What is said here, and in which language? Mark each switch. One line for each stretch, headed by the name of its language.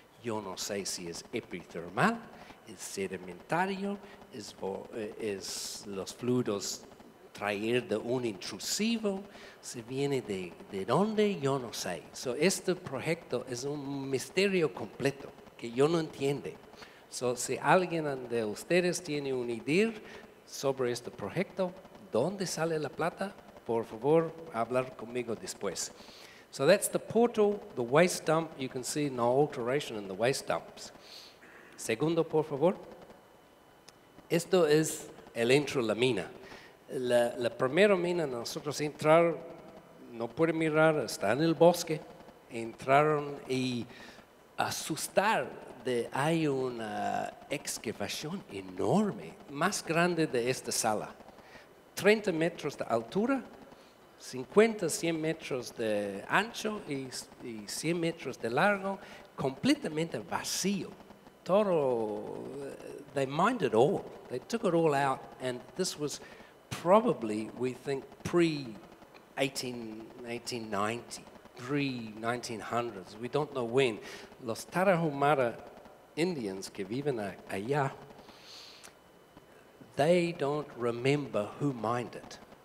Spanish: Yo no sé si es epitermal, es sedimentario, es los fluidos traer de un intrusivo, se viene de dónde, yo no sé. So este proyecto es un misterio completo que yo no entiendo. So si alguien de ustedes tiene un idea sobre este proyecto, ¿dónde sale la plata? Por favor, hablar conmigo después.
English: So that's the portal, the waste dump. You can see no alteration in the waste dumps.
Spanish: Segundo, por favor. Esto es el entro la mina. La primera mina, nosotros entraron, no pueden mirar, está en el bosque. Entraron y asustar de hay una excavación enorme, más grande de esta sala. 30 metros de altura, 50, 100 metros de ancho y 100 metros de largo, completamente vacío.
English: Todo, they mined it all. They took it all out, and this was probably, we think, pre-1900s. We don't know when. Los Tarahumara Indians
Spanish: que viven allá,
English: they don't remember who mined it.